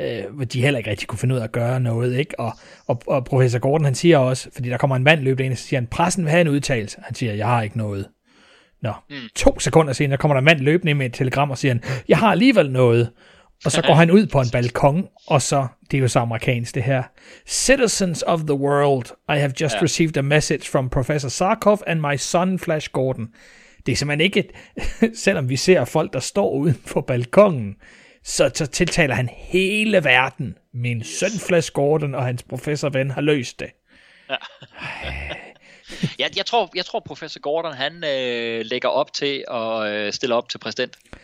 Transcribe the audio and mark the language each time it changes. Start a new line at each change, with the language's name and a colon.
Danish: Hvor de heller ikke rigtig kunne finde ud af at gøre noget, ikke? Og professor Gordon, han siger også, fordi der kommer en mand løbende ind, og siger han, pressen vil have en udtalelse. Han siger, jeg har ikke noget. Nå, to sekunder senere kommer der en mand løbende ind med et telegram og siger han, jeg har alligevel noget. Og så går han ud på en balkon, og så, det er jo så amerikansk det her.
English: Citizens of the world, I have just received a message from professor Sarkov and my son Flash Gordon.
Danish: Det er simpelthen ikke, selvom vi ser folk, der står uden på balkonen, Så tiltaler han hele verden. Min søn Flash Gordon og hans professorven har løst det. Ja. jeg tror professor Gordon, han lægger op til at stille op til præsident.